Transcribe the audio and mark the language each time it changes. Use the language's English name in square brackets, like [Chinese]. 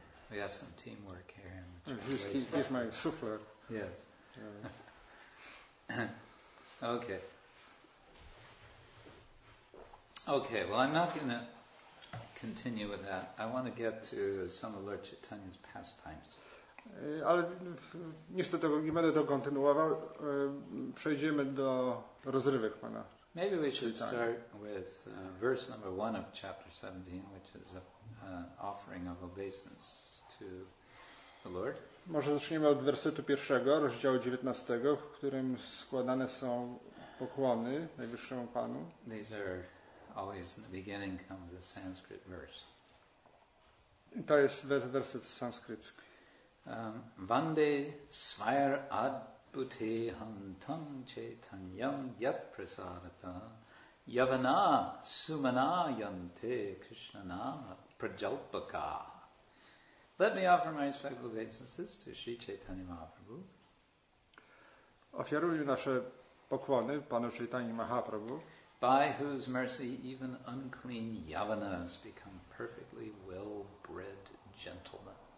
[English] We have some teamwork here. He's my suffler. Yes. Okay. Okay, well, I'm not going to continue with that. I want to get to some of Lord Chaitanya's pastimes. [Polish] Ale niestety nie będę to kontynuował. Przejdziemy do rozrywek pana. [English] Maybe we should start with verse number 1 of chapter 17, which is an offering of obeisance to the Lord. [Polish] Może zaczniemy od wersetu 1 rozdziału 19, w którym składane są pokłony Najwyższemu Panu. [English] These are always in the beginning comes a Sanskrit verse. [Polish] To jest werset sanskrytski. [Sanskrit] Vande svair adbhute hantam chaitanyam yat prasadata yavana sumana yante krishnana prajalpaka. [English] Let me offer my respectful obeisances to Sri Chaitanya Mahaprabhu. [Polish] Ofiaruję nasze pokłony Panu Chaitanya Mahaprabhu. [English] By whose mercy even unclean yavanas become perfectly well-bred gentlemen.